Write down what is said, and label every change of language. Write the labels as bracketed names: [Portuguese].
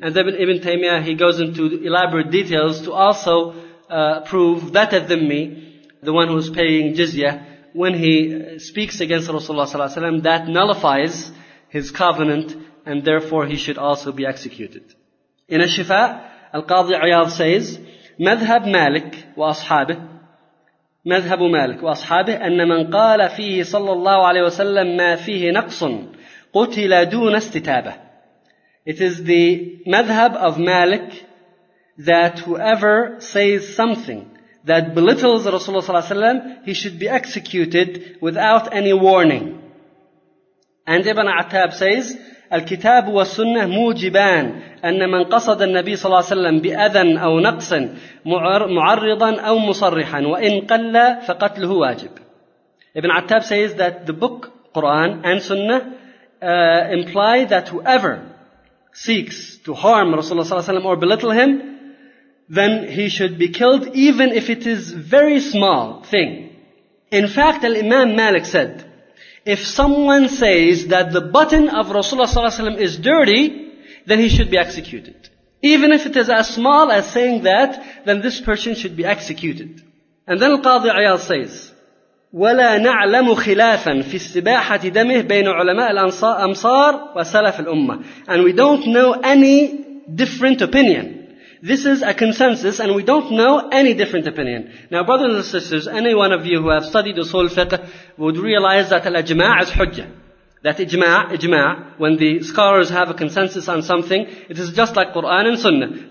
[English] And then Ibn Taymiyyah, he goes into elaborate details to also prove that al-dhimmi, the one who's paying jizya, when he speaks against Rasulullah ﷺ, that nullifies his covenant, and therefore he should also be executed. In al-Shifa, al-Qadi Iyad says, [Arabic] مذهب مالك وأصحابه مذهب مالك وأصحابه أن من قال فيه صلى الله عليه وسلم ما فيه نقص قتل دون استتابة. [English] It is the madhab of Malik that whoever says something that belittles Rasulullah sallallahu alaihi wasallam, he should be executed without any warning. And Ibn Attab says, [Arabic] الكتاب والسنة موجبان أن من قصد النبي صلى الله عليه وسلم بأذى أو نقص معرضا أو مصرحا وإن قل فقتله واجب. [English] Ibn Attab says that the book Quran and Sunnah imply that whoever seeks to harm Rasulullah صلى الله عليه وسلم or belittle him, then he should be killed even if it is very small thing. In fact, Imam Malik said, if someone says that the button of Rasulullah ﷺ is dirty, then he should be executed. Even if it is as small as saying that, then this person should be executed. And then Al-Qadi Iyad says, [Arabic] وَلَا نَعْلَمُ خِلَافًا فِي السِّبَاحَةِ دَمِهِ بَيْنُ عُلَمَاءِ الْأَمْصَارِ وَسَلَفِ الْأُمَّةِ. [English] And we don't know any different opinion. This is a consensus, and we don't know any different opinion. Now, brothers and sisters, any one of you who have studied usul fiqh would realize that al-ijma' is hujjah. That ijma', when the scholars have a consensus on something, it is just like Quran and Sunnah.